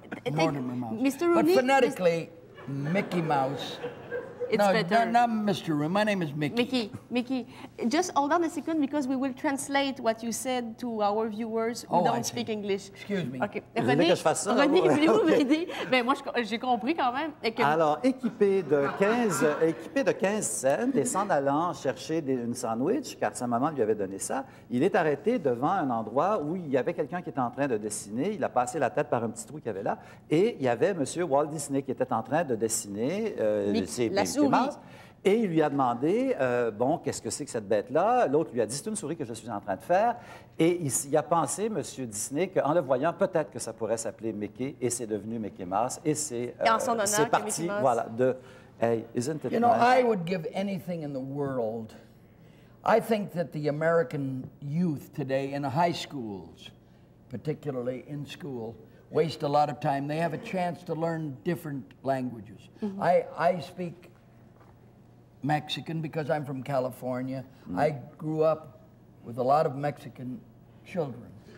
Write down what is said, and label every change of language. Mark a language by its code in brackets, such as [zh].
[en] Mortimer Mouse. Mr. Rooney, but phonetically, Mickey Mouse. It's not Mr. Room. My name is Mickey. Mickey, just hold on a second because we will translate what you said to our viewers who don't speak English. Excuse me. Okay. René, [fr] que je fasse ça, René, voulez-vous m'aider? Mais moi, j'ai compris quand même. Et que... Alors, équipé de 15 cents et s'en allant chercher une sandwich, car sa maman lui avait donné ça, il est arrêté devant un endroit où il y avait quelqu'un qui était en train de dessiner. Il a passé la tête par un petit trou qu'il y avait là et il y avait M. Walt Disney qui était en train de dessiner Mickey Mouse. Et il lui a demandé, bon, qu'est-ce que c'est que cette bête-là? L'autre lui a dit, c'est une souris que je suis en train de faire. Et il a pensé, M. Disney, qu'en le voyant, peut-être que ça pourrait s'appeler Mickey, et c'est devenu Mickey Mouse. Et c'est, en son honneur, c'est parti, voilà, de... [en] Hey, isn't it you know, I would give anything in the world. I think that the American youth today in high schools, particularly in school, waste a lot of time. They have a chance to learn different languages. Mm-hmm. I speak Mexican because I'm from California. Mm. I grew up with a lot of Mexican children.